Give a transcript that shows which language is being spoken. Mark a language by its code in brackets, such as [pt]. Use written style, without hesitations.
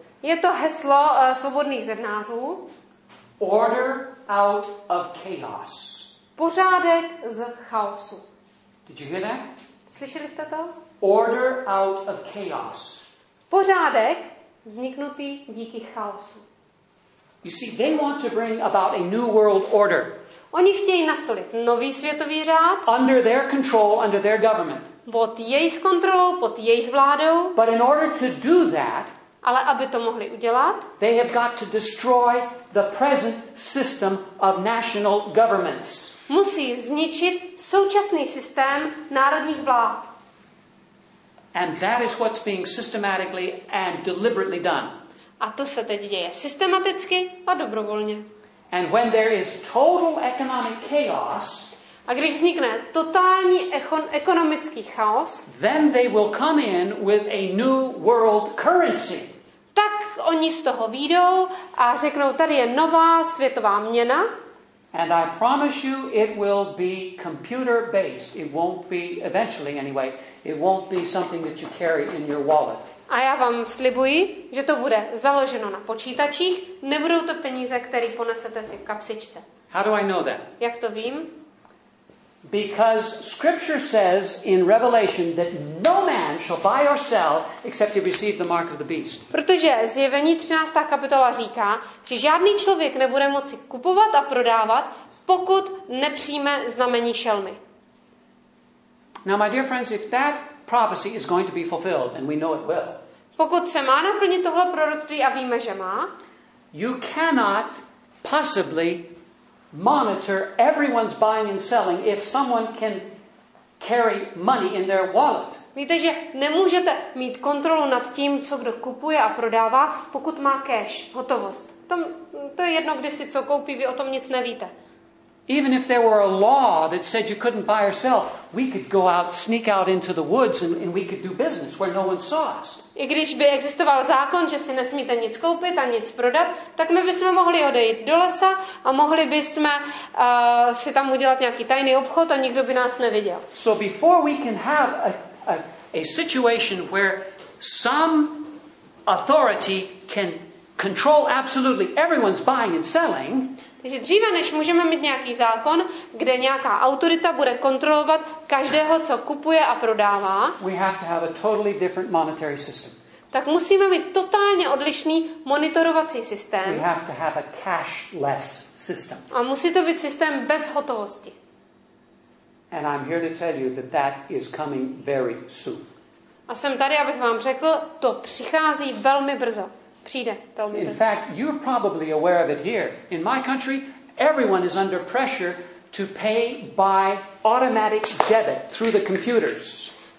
[cs] Je to heslo svobodných zednářů. [en] Order out of chaos. [cs] Pořádek z chaosu. [en] Did you hear that? [cs] Slyšeli jste to? [en] Order out of chaos. [cs] Pořádek vzniknutý díky chaosu. [en] You see, they want to bring about a new world order. [cs] Oni chtějí nastolit nový světový řád. [en] Under their control, under their government. [cs] Pod jejich kontrolou, pod jejich vládou. [en] But in order to do that, [cs] ale aby to mohli udělat, [en] they have got to destroy the present system of national governments. [cs] Musí zničit současný systém národních vlád. [en] And that is what's being systematically and deliberately done. [cs] A to se teď děje systematicky a dobrovolně. [en] And when there is total economic chaos, [cs] a když vznikne totální ekonomický chaos, [en] then they will come in with a new world currency. [cs] Tak oni z toho vyjdou a řeknou, tady je nová světová měna. [en] And I promise you it will be computer based. It won't be eventually anyway. It won't be something that you carry in your wallet. [cs] A já vám slibuji, že to bude založeno na počítačích. Nebudou to peníze, které ponesete si v kapsičce. [en] How do I know that? [cs] Jak to vím? [en] Because scripture says in Revelation that no man shall buy or sell except he receive the mark of the beast. [cs] Protože Zjevení 13. kapitola říká, že žádný člověk nebude moci kupovat a prodávat, pokud nepřijme znamení šelmy. [en] Now my dear friends, if that prophecy is going to be fulfilled, and we know it will. [cs] Pokud se má naplnit tohle proroctví a víme, že má, [en] you cannot possibly monitor everyone's buying and selling if someone can carry money in their wallet. [cs] Víte, že nemůžete mít kontrolu nad tím, co kdo kupuje a prodává, pokud má cash, hotovost. To je jedno, kdy si co koupí, vy o tom nic nevíte. [en] Even if there were a law that said you couldn't buy or sell, we could go out, sneak out into the woods and we could do business where no one saw us. [cs] I když by existoval zákon, že si nesmíte nic koupit a nic prodat, tak my bychom mohli odejít do lesa a mohli bychom si tam udělat nějaký tajný obchod a nikdo by nás neviděl. [en] So before we can have a situation where some authority can control absolutely everyone's buying and selling, [cs] takže dříve, než můžeme mít nějaký zákon, kde nějaká autorita bude kontrolovat každého, co kupuje a prodává, [en] we have to have a totally different monetary system. [cs] Tak musíme mít totálně odlišný monitorovací systém. [en] We have to have a cashless system. [cs] A musí to být systém bez hotovosti. [en] And I'm here to tell you that that is coming very soon. [cs] A jsem tady, abych vám řekl, to přichází velmi brzo. Přijde, [en] in fact, you're probably aware of it here. In my country, everyone is under pressure to pay by automatic debit through the computers.